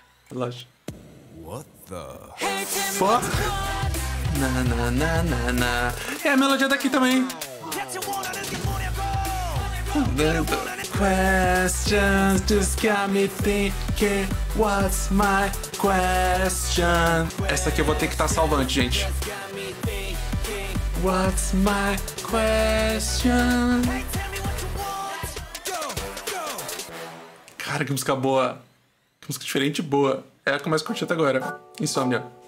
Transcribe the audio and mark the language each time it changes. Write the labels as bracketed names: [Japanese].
[Portuguese] Relógio. Fuck. Na, na, na, na, na. É a melodia daqui também. [English] Questions just got me thinking, what's my question? [Portuguese] Essa aqui eu vou ter que estar salvando, gente. [English] What's my question? [Portuguese] Cara, que música boa. Que música diferente e boa. É a que eu mais curti até agora. Insomnia.